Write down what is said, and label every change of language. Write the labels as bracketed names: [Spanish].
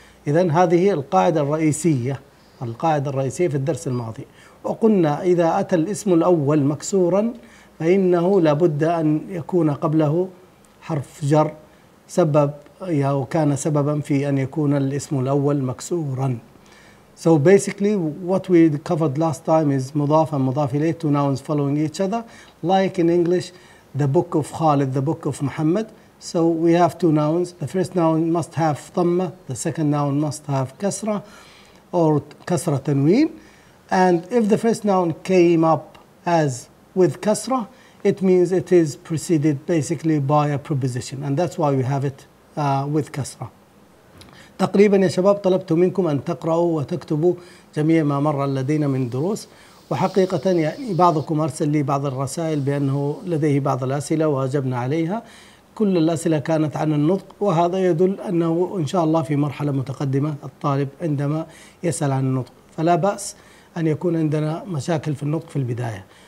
[Arabic] إذن هذه القاعدة الرئيسية، القاعدة الرئيسية في الدرس الماضي. وقلنا إذا أتى الاسم الأول مكسورا فإنه لابد أن يكون قبله حرف جر سبب، أو كان سببا في أن يكون الاسم الأول مكسورا. [English] So basically what we covered last time is مضاف and مضاف إليه, two nouns following each other, like in English the book of Khalid, the book of Muhammad. So we have two nouns. The first noun must have ضمّة, the second noun must have كسرة or كسرة تنوين. And if the first noun came up as with كسرة, it means it is preceded basically by a preposition. And that's why we have it with كسرة. [Arabic] تقريبا يا شباب طلبت منكم أن تقرأوا وتكتبوا جميع ما مر لدينا من دروس، وحقيقة يعني بعضكم أرسل لي بعض الرسائل بأنه لديه بعض الأسئلة وأجبنا عليها. كل الأسئلة كانت عن النطق، وهذا يدل أنه إن شاء الله في مرحلة متقدمة الطالب عندما يسأل عن النطق، فلا بأس أن يكون عندنا مشاكل في النطق في البداية.